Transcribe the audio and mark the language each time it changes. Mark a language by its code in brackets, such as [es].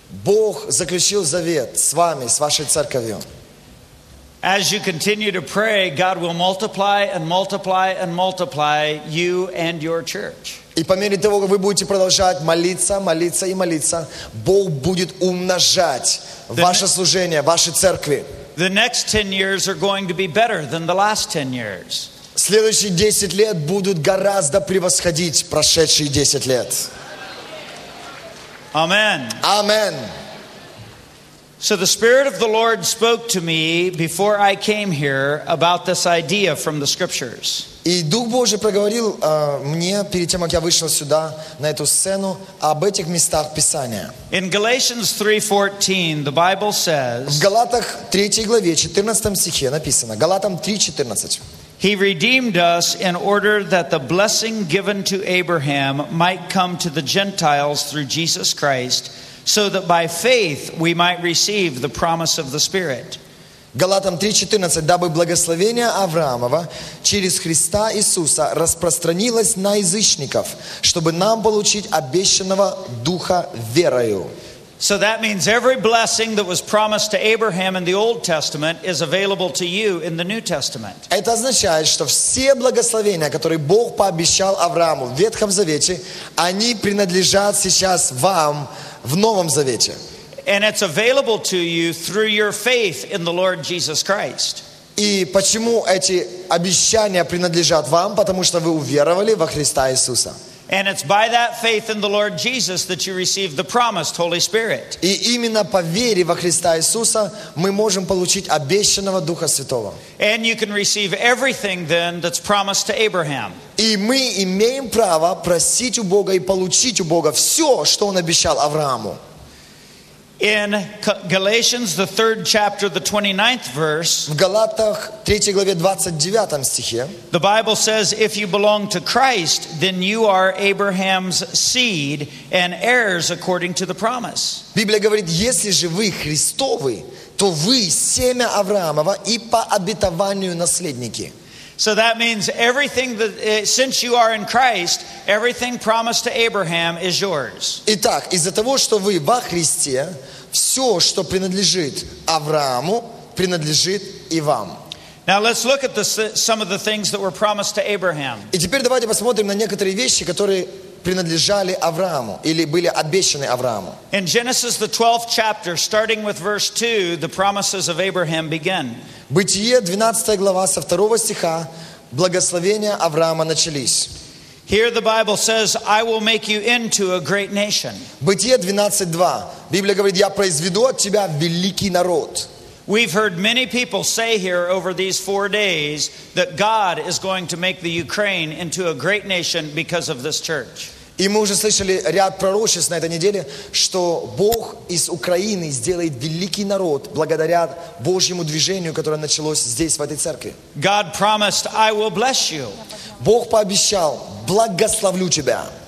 [ru] Бог заключил завет с вами, с вашей церковью. [en] As you continue to pray, God will multiply and multiply and multiply you and your church. [ru] И по мере того, как вы будете продолжать молиться, молиться и молиться, Бог будет умножать ваше служение, ваши церкви. [en] The next 10 years are going to be better than the last 10 years. [ru] Следующие 10 лет будут гораздо превосходить прошедшие 10 лет. [en] Amen. Amen. So the Spirit of the Lord spoke to me before I came here about this idea from the Scriptures. [ru] И Дух Божий проговорил мне перед тем, как я вышел сюда на эту сцену, об этих местах Писания. [en] In Galatians 3:14, the Bible says. [ru] В Галатах 3 главе 14 стихе написано. Галатам 3:14. [en] He redeemed us in order that the blessing given to Abraham might come to the Gentiles through Jesus Christ, so that by faith we might receive the promise of the Spirit. [ru] Галатам 3:14, дабы благословение Авраамова через Христа Иисуса распространилось на язычников, чтобы нам получить обещанного Духа верою. [en] So that means every blessing that was promised to Abraham in the Old Testament is available to you in the New Testament. [ru] Это означает, что все благословения, которые Бог пообещал Аврааму в Ветхом Завете, они принадлежат сейчас вам в Новом Завете. [en] And it's available to you through your faith in the Lord Jesus Christ. [ru] И почему эти обещания принадлежат вам? Потому что вы уверовали во Христа Иисуса. [en] And it's by that faith in the Lord Jesus that you receive the promised Holy Spirit. [ru] И именно по вере во Христа Иисуса мы можем получить обещанного Духа Святого. [en] And you can receive everything then that's promised to Abraham. [ru] И мы имеем право просить у Бога и получить у Бога все, что Он обещал Аврааму. [en] In Galatians, the 3rd chapter, the 29th verse, [ru] в Галатах, 3 главе, 29 стихе, [en] the Bible says, if you belong to Christ, then you are Abraham's seed and heirs according to the promise. [ru] Библия говорит, если же вы Христовы, то вы семя Авраамова и по обетованию наследники. [en] So that means everything that since you are in Christ, everything promised to Abraham is yours. [ru] Итак, из-за того, что вы во Христе, все, что принадлежит Аврааму, принадлежит и вам. [en] Now let's look at some of the things that were promised to Abraham. [ru] И теперь давайте посмотрим на некоторые вещи, которые принадлежали Аврааму или были обещаны Аврааму. [en] In Genesis the 12th chapter, starting with verse 2, the promises of Abraham begin. [ru] Бытие 12 глава со 2 стиха благословения Авраама начались. [en] Here the Bible says, I will make you into a great nation. [ru] Бытие 12:2. Библия говорит, я произведу от тебя великий народ. [en] We've heard many people say here over these 4 days that God is going to make the Ukraine into a great nation because of this church. [ru] И мы уже слышали ряд пророчеств на этой неделе, что Бог из Украины сделает великий народ благодаря Божьему движению, которое началось здесь, в этой церкви. [en] God promised, I will bless you. [ru] Бог пообещал, благословлю тебя.